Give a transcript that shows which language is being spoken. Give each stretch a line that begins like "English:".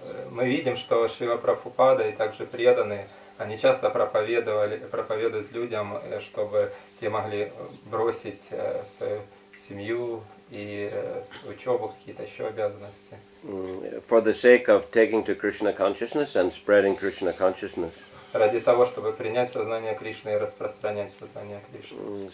Russian: Мы видим, что Шрила Прабхупада и также преданные, они часто проповедуют людям, чтобы те могли бросить свою семью и учебу, какие-то еще обязанности.
English: For the sake of taking to Krishna consciousness and spreading Krishna consciousness.
Russian: Ради того, чтобы принять сознание Кришны и распространять сознание Кришны.